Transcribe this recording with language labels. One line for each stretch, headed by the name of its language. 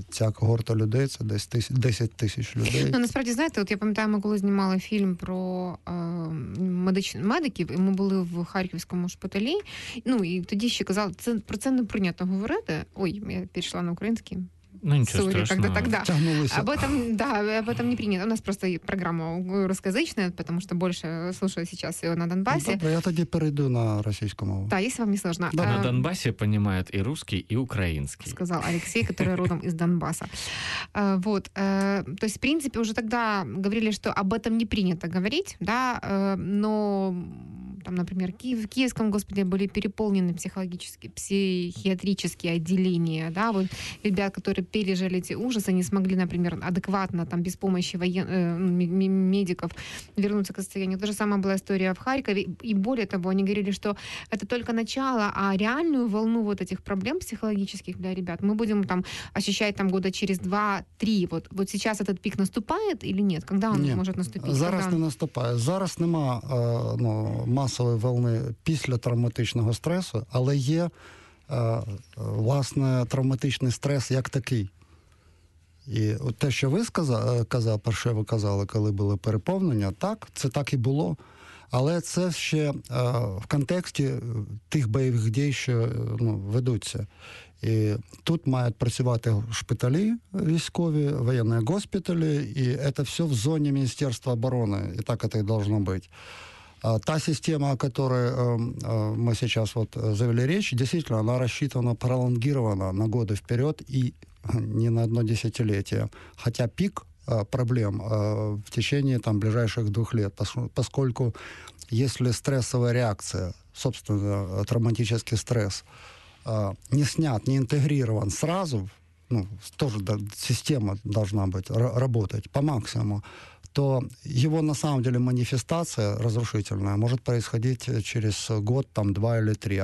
Ukrainian: Ця когорта людей – це десь 10 тисяч людей. Ну, насправді, знаєте, от я пам'ятаю, ми коли знімали фільм про медиків, і ми були в Харківському шпиталі, ну, і тоді ще казали, це, про це не прийнято говорити. Ой, я перейшла на український. Ну, нічого Сурі, страшного. Тягнулися.
Russian: Об этом не принято. У нас просто программа русскоязычная, потому что больше слушаю сейчас ее на Донбассе.
Ukrainian: Ну, добре, я тоді перейду на російську мову.
Russian: Да, если вам не сложно. Да. На Донбассе понимают и русский, и украинский. Сказал Алексей, который родом из Донбасса. Вот. То есть, в принципе, уже тогда говорили, что об этом не принято говорить, да, но... Там, например, в Киевском госпитале были переполнены психологические, психиатрические отделения, да, вот ребят, которые пережили эти ужасы, не смогли, например, адекватно, там, без помощи медиков вернуться к состоянию. То же самое была история в Харькове, и более того, они говорили, что это только начало, а реальную волну вот этих проблем психологических для ребят мы будем там ощущать там года через 2-3. Вот сейчас этот пик наступает или нет? Когда он нет, может наступить?
Ukrainian: Зараз
Russian: когда? Не наступает.
Ukrainian: Зараз нема, масової волни після травматичного стресу, але є власне травматичний стрес як такий. І от те, що ви казали, коли були переповнення, так, це так і було. Але це ще в контексті тих бойових дій, що ведуться. І тут мають працювати шпиталі військові, воєнні госпіталі, і це все в зоні Міністерства оборони. І так це і повинно бути.
Russian: Та система, о которой мы сейчас вот завели речь, действительно, она рассчитана, пролонгирована на годы вперед и не на одно десятилетие. Хотя пик проблем в течение там, ближайших 2 лет, поскольку если стрессовая реакция, собственно, травматический стресс, не снят, не интегрирован сразу, тоже система должна быть, работать по максимуму, то его на самом деле манифестация разрушительная может происходить через год, там, 2 или 3.